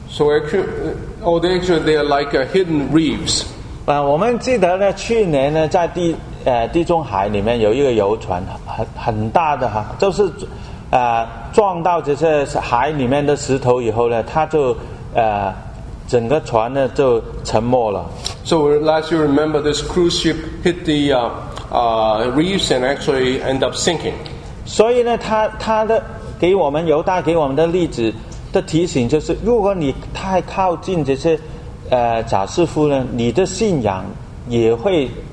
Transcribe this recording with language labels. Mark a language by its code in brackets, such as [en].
[en] They are like a hidden reefs. [zh] 我们记得呢，去年呢在地中海里面有一个游船，很大的哈，就是撞到这些海里面的石头以后呢，它就整个船呢就沉没了。 [en] So last year, remember this cruise ship hit the reefs and actually end up sinking. [zh] 所以呢，它的给我们犹大给我们的例子的提醒就是，如果你太靠近这些假师傅呢，你的信仰也会。